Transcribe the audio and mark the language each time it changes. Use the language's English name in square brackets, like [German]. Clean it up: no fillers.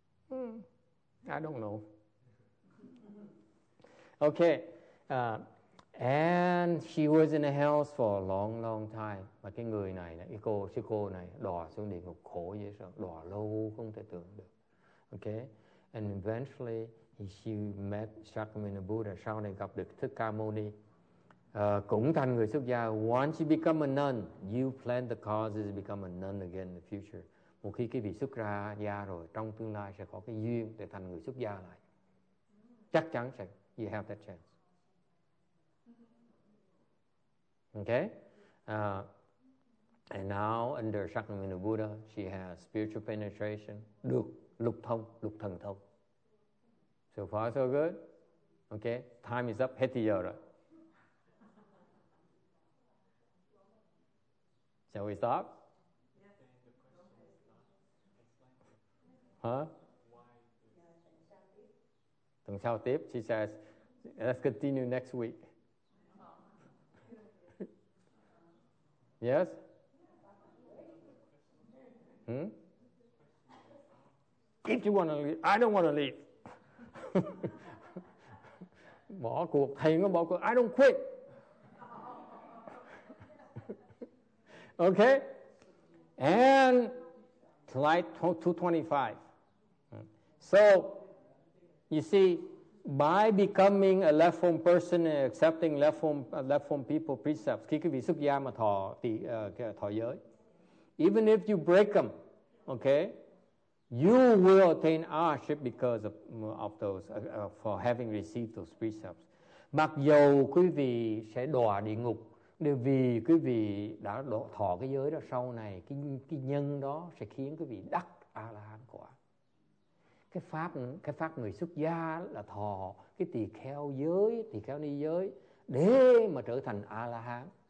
[English] I don't know. Okay. And she was in the house for a long, long time. [Vietnamese] Mà cái người này, cái cô, sư cô này, đọa xuống địa ngục khổ dữ sao, đọa lâu không thể tưởng được. Okay. [English] And eventually, she met Shakyamuni Buddha. [Vietnamese] Sau này gặp được Thích Ca Mâu Ni, cũng thành người xuất gia. [English] Once you become a nun, you plant the causes to become a nun again in the future. [Vietnamese] Một khi cái vị xuất ra gia rồi, trong tương lai sẽ có cái duyên để thành người xuất gia lại. Chắc chắn sẽ, [English] you have that chance. Okay? And now under Shakyamuni Buddha, she has spiritual penetration. [Vietnamese] Được, lục thông, lục thần thông. [English] So far so good? Okay, time is up. [Vietnamese] Hết giờ rồi. [English] Shall we stop? Huh? [Vietnamese] Tuần sau tiếp, [English] she says, let's continue next week. Yes? Hmm? If you want to leave, I don't want to leave. [Vietnamese] Bỏ cuộc, thầy nó bỏ cuộc, [English] I don't quit. Okay? And slide 225. So, you see, by becoming a left-home person and accepting left-home people precepts, [Vietnamese] khi cái vị xuất gia mà thọ thọ giới, [English] even if you break them, okay, you will attain arhatship because of those for having received those precepts. [Vietnamese] Mặc dù quý vị sẽ đọa địa ngục, nhưng vì quý vị đã thọ cái giới đó sau này, cái nhân đó sẽ khiến quý vị đắc A-la-hán quả. Cái pháp người xuất gia là thọ cái tỳ kheo giới, tỳ kheo ni giới để mà trở thành A-la-hán.